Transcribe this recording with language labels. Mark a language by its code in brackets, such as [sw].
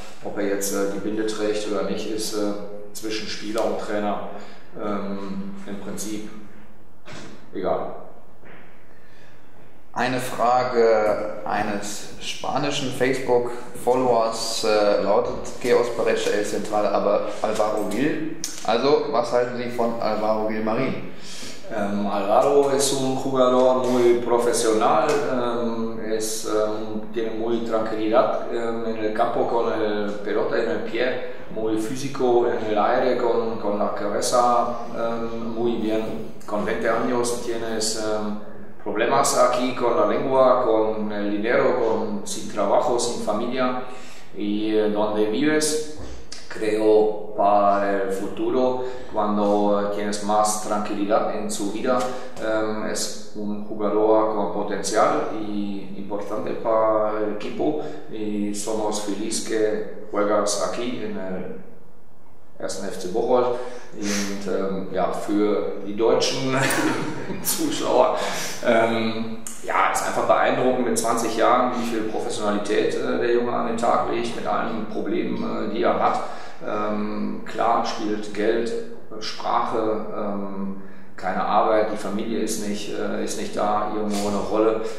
[de] Ob er jetzt die Binde trägt oder nicht, ist zwischen Spieler und Trainer im Prinzip Egal. Eine Frage eines spanischen Facebook-Followers lautet: [es] Chaos Parecha El Central, [de] aber Alvaro Gil. Also, was halten Sie von Alvaro Gil Marín? [es] Alvaro es un jugador muy profesional, es, tiene muy tranquilidad en el campo con el pelota en el pie, muy físico en el aire con la cabeza, muy bien. Con 20 años tienes problemas aquí con la lengua, con el dinero, con, sin trabajo, sin familia y donde vives. Creo para el futuro, cuando tienes más tranquilidad en su vida, es un jugador con potencial y importante para el equipo y somos felices que juegas aquí en el 1. FC Bocholt. [de] Und ja, für die deutschen Zuschauer, ja, ist einfach beeindruckend mit 20 Jahren, wie viel Professionalität der Junge an den Tag legt, mit allen Problemen, die er hat. Klar spielt Geld, Sprache, keine Arbeit, die Familie ist nicht da, irgendwo eine Rolle.